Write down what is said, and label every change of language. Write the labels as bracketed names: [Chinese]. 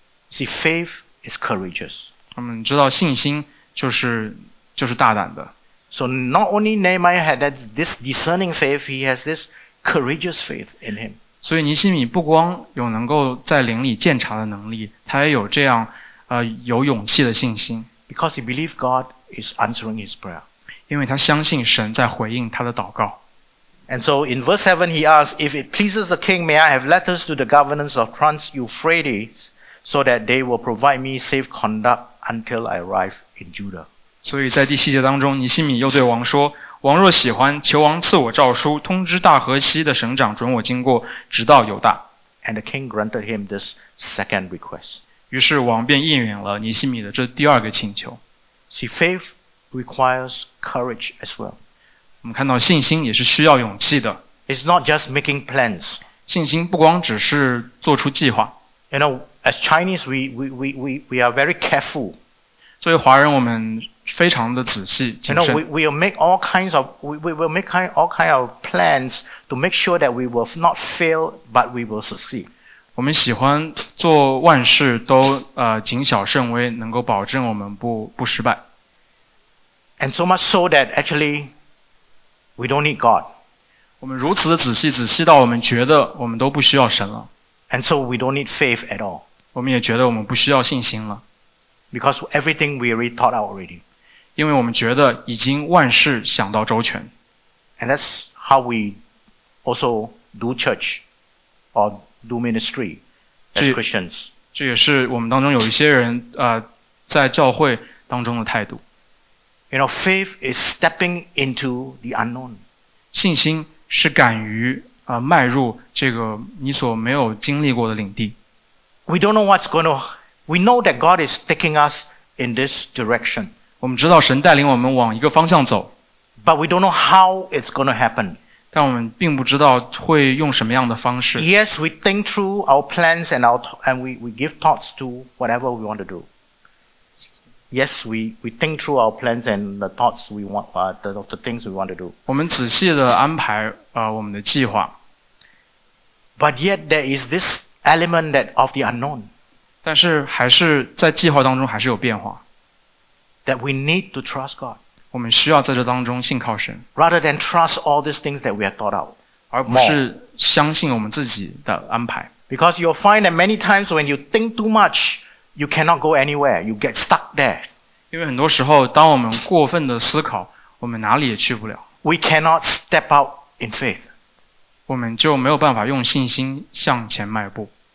[English] See, faith is courageous. [Chinese] 我们知道信心就是大胆的。 [English] So not only Nehemiah had this discerning faith, he has this courageous faith in him. [Chinese] 所以尼西米不光有能够在灵里鉴察的能力，他也有这样有勇气的信心。 [English] Because he believed God is answering his prayer. [Chinese] 因为他相信神在回应他的祷告。 [English] And so in verse 7 he asks, if it pleases the king, may I have letters to the governors of Trans-Euphrates so that they will provide me safe conduct until I arrive in Judah. [Chinese] 所以在第七节当中，尼西米又对王说，王若喜欢，求王赐我诏书，通知大河西的省长准我经过，直到犹大。 [English] And the king granted him this second request. [Chinese] 于是王便应允了尼西米的这第二个请求。 [English] See, faith requires courage as well. [Chinese] 我们看到信心也是需要勇气的。 [English] It's not just making plans. [Chinese] 信心不光只是做出计划。 [English] You know, as Chinese, we are very careful. [Chinese] 作为华人，我们非常的仔细谨慎。 [English] You know, we will make all kinds of we will make all kinds of plans to make sure that we will not fail, but we will succeed. [Chinese] 我们喜欢做万事都谨小慎微，能够保证我们不失败。 [English] And so much so that actually we don't need God. [Chinese] 我们如此的仔细，仔细到我们觉得我们都不需要神了。 [English] And so we don't need faith at all. [Chinese] 我们也觉得我们不需要信心了。 [English] Because everything we already thought out already. [Chinese] 因为我们觉得已经万事想到周全。 [English] And that's how we also do church or do ministry as Christians. [Chinese] 这也是我们当中有一些人在教会当中的态度。 [English] You know, faith is stepping into the unknown. [Chinese] 信心是敢于迈入这个你所没有经历过的领地。 [English] We don't know what's going to, we know that God is taking us in this direction. [Chinese] 我们知道神带领我们往一个方向走。 [English] But we don't know how it's going to happen. [Chinese] 但我们并不知道会用什么样的方式。 [English] Yes, we think through our plans and we give thoughts to whatever we want to do. Yes, we think through our plans and the thoughts we want, the things we want to do. [Chinese] 我们仔细地安排我们的计划。 [English] But yet there is this element that of the unknown. [Chinese] 但是还是在计划当中还是有变化。 [English] That we need to trust God. [Chinese] 我们需要在这当中信靠神。 [English] Rather than trust all these things that we have thought out. [Chinese] 而不是相信我们自己的安排。 [English] Because you'll find that many times when you think too much,You cannot go anywhere. You get stuck there. [Chinese] 因为很多时候，当我们过分的思考，我们哪里也去不了。 [English] we cannot step out in faith. [Chinese] 我们就没有办法用信心向前迈步。